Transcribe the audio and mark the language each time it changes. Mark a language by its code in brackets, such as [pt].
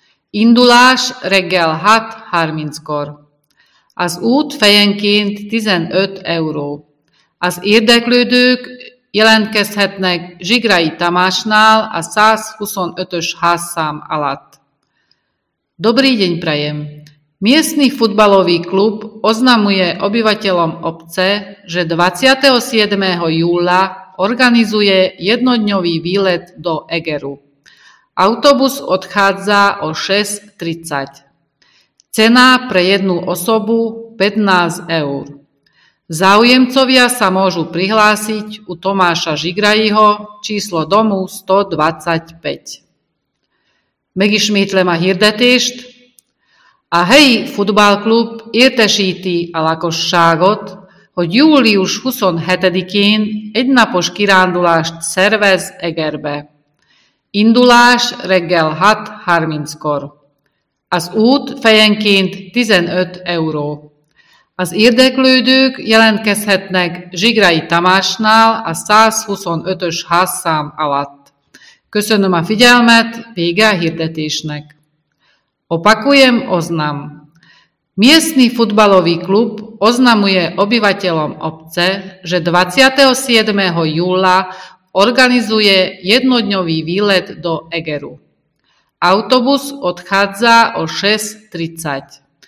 [hu] Indulás reggel 6:30-kor. Az út fejenként 15 euró. Az érdeklődők jelentkezhetnek Zsigrai Tamásnál a 125-ös házszám alatt. [sk] Dobrý deň prajem. Miestny futbalový klub oznamuje obyvateľom obce, že 27. júla organizuje jednodňový výlet do Egeru. Autobus odchádza o 6:30. Cena pre jednu osobu 15 eur. Záujemcovia sa môžu prihlásiť u Tomáša Zsigraiho, číslo domu 125. [hu] Megismétlem a hirdetést. A helyi futballklub értesíti a lakosságot, hogy július 27-én egynapos kirándulást szervez Egerbe. Indulás reggel 6:30-kor. Az út fejenként 15 euró. Az érdeklődők jelentkezhetnek Zsigrai Tamásnál a 125-ös házszám alatt. Köszönöm a figyelmet, vége a hirdetésnek. [sk] Opakujem oznam. Miestny futbalový klub oznamuje obyvateľom obce, že 27. júla organizuje jednodňový výlet do Egeru. Autobus odchádza o 6:30.